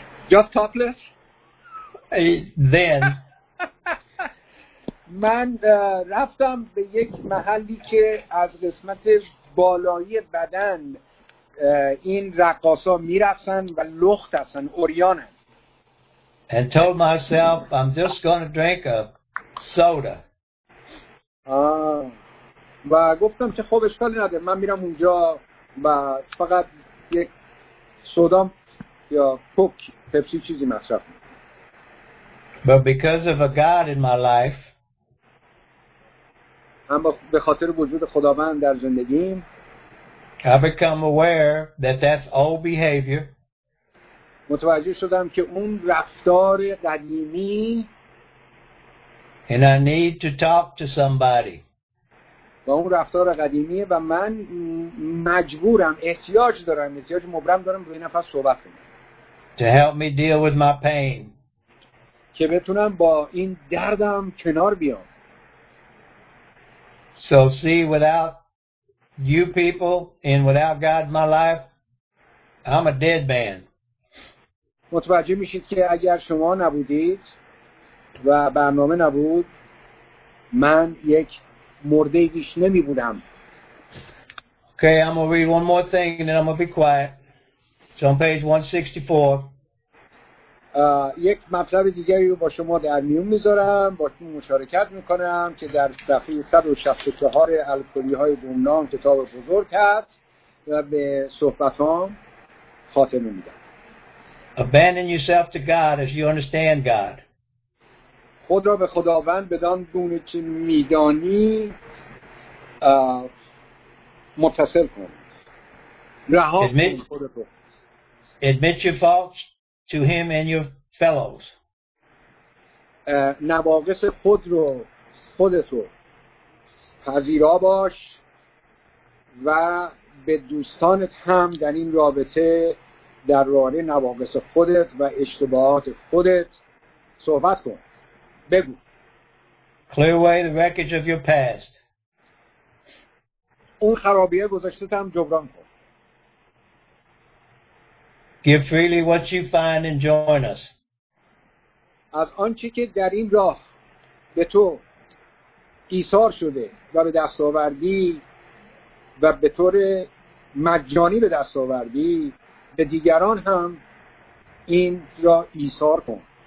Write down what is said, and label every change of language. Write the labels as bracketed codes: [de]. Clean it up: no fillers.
[en] Just topless? Then. [fa] من رفتم به یک محلی که از قسمت بالایی بدن این رقاصا می‌رقصن و لخت هستن، اوریانن. [en] And told myself I'm just going to drink a soda. [fa] و گفتم که خب اشکالی نداره، من میرم اونجا و فقط یک سودا یا کوک پپسی چیزی مصرف می‌کنم. [en] But because of a God in my life, [fa] اما به خاطر وجود خداوند در زندگیم، [en] I become aware that that's old behavior. [fa] متوجه شدم که اون رفتار قدیمی. [en] And I need to talk to somebody. [fa] و اون رفتار قدیمیه و من مجبورم، احتیاج دارم، احتیاج مبرم دارم به این نفر صحبت کنم. [en] To help me deal with my pain. [fa] که بتونم با این دردم کنار بیام. [en] So see, without you people and without God in my life, I'm a dead man. [fa] متوجه میشید که اگر شما نبودید و برنامه نبود، من یک مرده گیش نمی بودم. [en] Okay, I'm gonna read one more thing and then I'm gonna be quiet. It's on page 164. [fa] یک مطلب دیگری رو با شما در میون میذارم، با شما مشارکت میکنم که در صفحه 164 الکلی های گمنام کتاب بزرگ هست و به صحبت هم خاتمه میدم. [en] Abandon yourself to God as you understand God. [fa] خود را به خداوند بدان گونه که میدانی متصل کن. رها کن خودت رو. [en] Admit your faults to him and your fellows. [fa] نواقص خود رو خودت رو پذیرا باش و به دوستانت هم در این رابطه در راه نواقص خودت و اشتباهات خودت صحبت کن. بگو. [en] Clear away the wreckage of your past. [fa] اون خرابیه گذاشتت هم جبران کن. [en] Give freely what you find and join us. [fa] از آنچه که در این راه به تو ایثار شده و به دست آوردی و به طور مجانی به دست آوردی به دیگران هم این را ایثار کن.